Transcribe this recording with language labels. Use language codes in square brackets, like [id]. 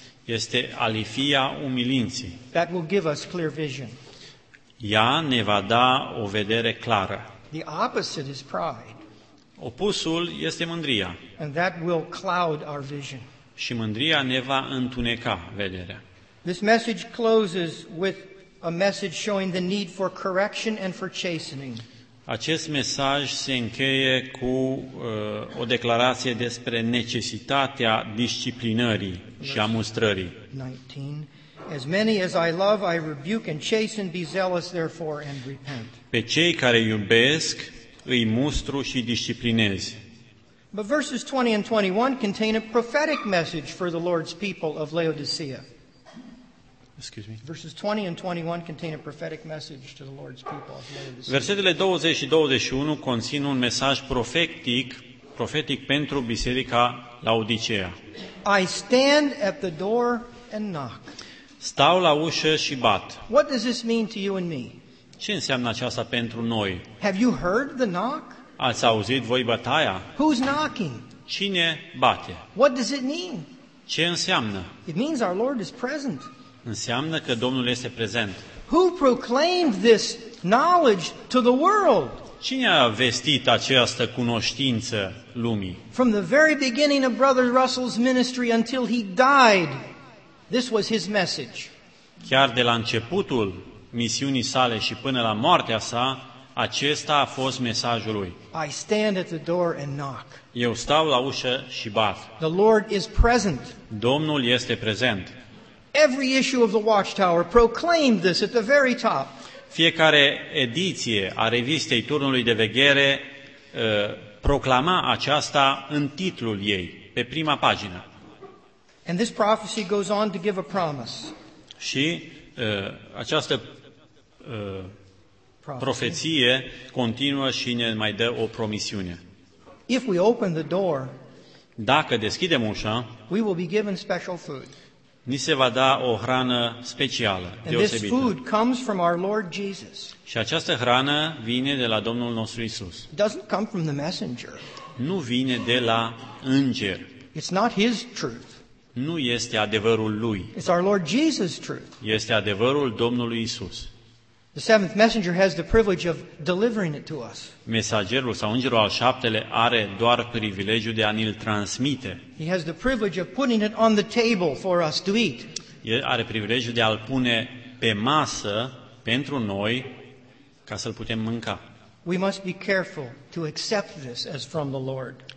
[ro] Este alifia umilinții. [en] That will give us clear vision. [ro] Ea ne va da o vedere clară. [en] The opposite is pride. [ro] Opusul este mândria. [en] And that will cloud our vision. [ro] Și mândria ne va întuneca vederea. [en] This message closes with a message showing the need for correction and for chastening. [ro] Acest mesaj se încheie cu o declarație despre necesitatea disciplinării și a mustrării. [en] 19. As many as I love, I rebuke and chasten, be zealous therefore and repent. [ro] Pe cei care iubesc îi mustru și disciplinezi. [en] But verses 20 and 21 contain a prophetic message for the Lord's people of Laodicea. Excuse me. Verses 20 and 21 contain a prophetic message to the Lord's people of Laodicea. [ro] Versetele 20 și 21 conțin un mesaj profetic pentru biserica Laodicea. [en] I stand at the door and knock. [ro] Stau la ușă și bat. [en] What does this mean to you and me? [ro] Ce înseamnă aceasta pentru noi? [en] Have you heard the knock? [ro] Ați auzit voi bătaia? [en] Who's knocking? [ro] Cine bate? [en] What does it mean? [ro] Ce înseamnă? [en] It means our Lord is present. [ro] Înseamnă că Domnul este prezent. [en] Who proclaimed this knowledge to the world? [ro] Cine a vestit această cunoștință lumii? [en] From the very beginning of Brother Russell's ministry until he died, this was his message. [ro] Chiar de la începutul misiunii sale și până la moartea sa, acesta a fost mesajul lui. [en] I stand at the door and knock. [ro] Eu stau la ușă și bat. [en] The Lord is present. [ro] Domnul este prezent. [en] Every issue of the Watchtower proclaimed this at the very top. [ro] Fiecare ediție a revistei Turnului de Veghere proclama aceasta în titlul ei, pe prima pagină. [en] And this prophecy goes on to give a promise. [ro] Și această profeție continuă și ne mai dă o promisiune. [en] If we open the door, [ro] dacă deschidem ușa, [en] we will be given special food. [ro] ni se va da o hrană specială, deosebită. [en] This food comes from our Lord Jesus. [ro] Și această hrană vine de la Domnul nostru Isus. [en] It doesn't come from the messenger. [ro] Nu vine de la înger. [en] It's not his truth. [ro] Nu este adevărul lui. [en] It's our Lord Jesus' truth. [ro] Este adevărul Domnului Isus. [en] The seventh messenger has the privilege of delivering it to us. [ro] Mesagerul sau îngerul al șaptele are doar privilegiul de a ni-l transmite. [en] He has the privilege of putting it on the table for us to eat. [ro] El are privilegiul de a-l pune pe masă pentru noi ca să-l putem mânca. [en] We must be careful to accept this as from the Lord.